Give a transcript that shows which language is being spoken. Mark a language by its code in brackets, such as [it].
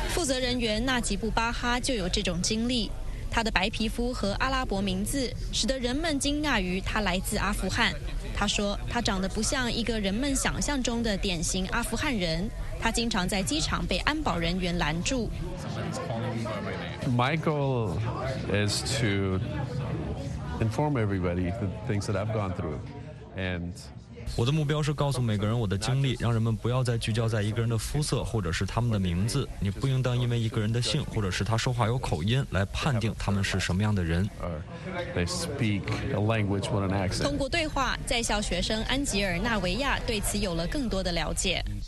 [zh] 负责人员纳吉布巴哈就有这种经历。他的白皮肤和阿拉伯名字使得人们惊讶于他来自阿富汗。他说他长得不像一个人们想象中的典型阿富汗人。他经常在机场被安保人员拦住。 [en] My goal is to inform everybody the things that I've gone through and... [zh] 我的目标是告诉每个人我的经历，让人们不要再聚焦在一个人的肤色或者是他们的名字。你不应当因为一个人的姓或者是他说话有口音来判定他们是什么样的人。通过对话，在校学生安吉尔·纳维亚对此有了更多的了解。